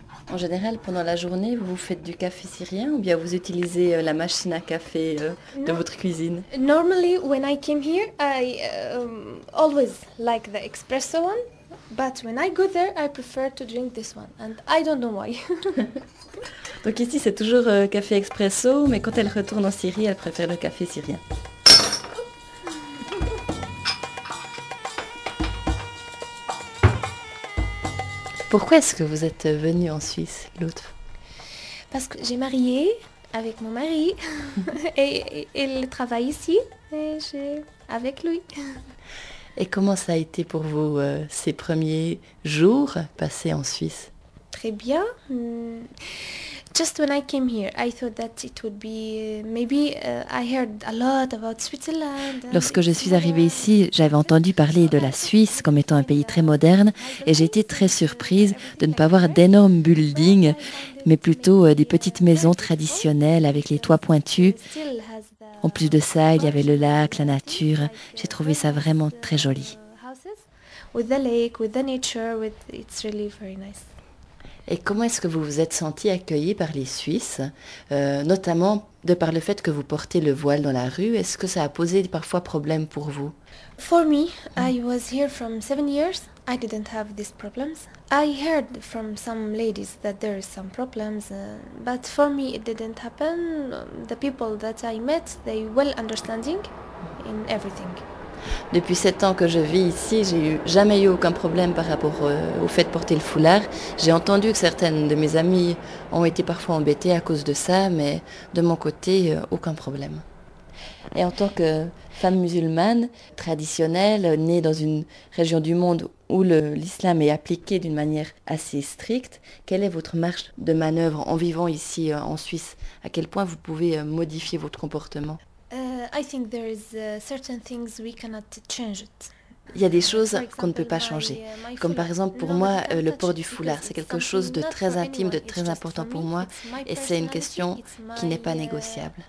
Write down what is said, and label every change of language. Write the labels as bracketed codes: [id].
[fr] En général, pendant la journée, vous faites du café syrien ou bien vous utilisez la machine à café de votre cuisine? [en] Normally, when I came here, I always like the espresso one, but when I go there, I prefer to drink this one, and I don't know why. [fr] Donc ici, c'est toujours café espresso, mais quand elle retourne en Syrie, elle préfère le café syrien. Pourquoi est-ce que vous êtes venue en Suisse, Lotf? Parce que j'ai marié avec mon mari et il travaille ici et j'ai avec lui. Et comment ça a été pour vous ces premiers jours passés en Suisse? Très bien. [en] Just when I came here, I thought that it would be maybe I heard a lot about Switzerland. [fr] Lorsque je suis arrivée ici, j'avais entendu parler de la Suisse comme étant un pays très moderne et j'ai été très surprise de ne pas voir d'énormes buildings mais plutôt des petites maisons traditionnelles avec les toits pointus. En plus de ça, il y avait le lac, la nature. J'ai trouvé ça vraiment très joli. [en] With the lake, with the nature, with it's really very nice. [fr] Et comment est-ce que vous vous êtes sentie accueillie par les Suisses, notamment de par le fait que vous portez le voile dans la rue? Est-ce que ça a posé parfois problème pour vous? [en] For me, I was here from 7 years. I didn't have these problems. I heard from some ladies that there is some problems, but for me it didn't happen. The people that I met, they well understanding in everything. [fr] Depuis 7 ans que je vis ici, j'ai jamais eu aucun problème par rapport au fait de porter le foulard. J'ai entendu que certaines de mes amies ont été parfois embêtées à cause de ça, mais de mon côté, aucun problème. Et en tant que femme musulmane, traditionnelle, née dans une région du monde où l'islam est appliqué d'une manière assez stricte, quelle est votre marge de manœuvre en vivant ici en Suisse? À quel point vous pouvez modifier votre comportement? [en] I think there is certain things we cannot change it. [fr] Il y a des choses qu'on ne peut pas changer. Comme par exemple, pour moi, le port du foulard, c'est quelque chose de très intime, de très important pour moi, et c'est une question qui n'est pas négociable.